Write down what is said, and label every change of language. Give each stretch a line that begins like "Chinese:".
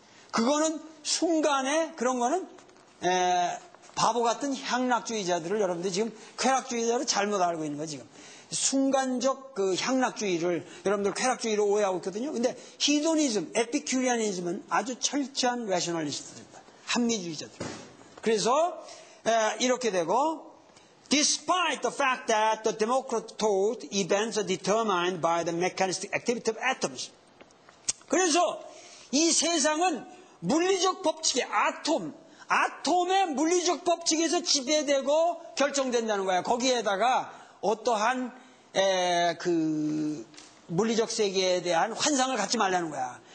Korean: 그거는 순간에 그런 거는 바보 같은 향락주의자들을 여러분들 지금 쾌락주의자로 잘못 알고 있는 거야 지금. 순간적 그 향락주의를 여러분들 쾌락주의로 오해하고 있거든요. 근데 히도니즘, 에피큐리안이즘은 아주 철저한 래셔널리스트들입니다. 합리주의자들. 그래서 이렇게 되고
English: Despite the fact that the Democrat thought events are determined by the mechanistic activity of atoms.
Korean: 그래서 이 세상은 물리적 법칙의 아톰, 아톰의 물리적 법칙에서 지배되고 결정된다는 거야. 거기에다가 어떠한 그 물리적 세계에 대한 환상을 갖지 말라는 거야.